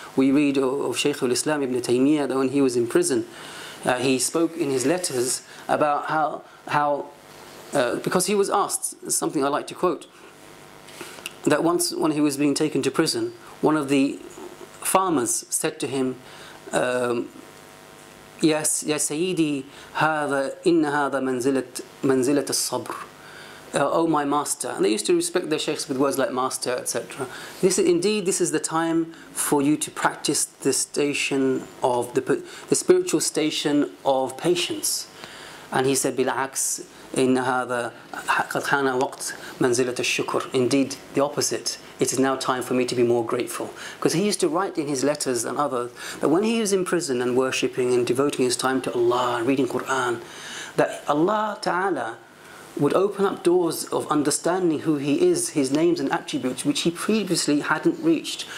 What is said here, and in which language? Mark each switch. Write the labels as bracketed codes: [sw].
[en] We read of Shaykh al-Islam ibn Taymiyyah, that when he was in prison, he spoke in his letters about how because he was asked, something I like to quote, that once when he was being taken to prison, one of the farmers said to him, yes, [ar] ya Sayyidi, hadha, inna hadha manzilat al-sabr. [en] Oh my master. And they used to respect their sheikhs with words like master, etc. This is the time for you to practice the station of the spiritual station of patience. And he said, [ar] bil'aks, إِنَّ هَذَا قَدْ خَانَ وَقْتْ مَنْزِلَةَ الشُّكُرْ. [en] Indeed, the opposite. It is now time for me to be more grateful. Because he used to write in his letters and others that when he was in prison and worshipping and devoting his time to Allah and reading Qur'an, that Allah Ta'ala would open up doors of understanding who he is, his names and attributes, which he previously hadn't reached.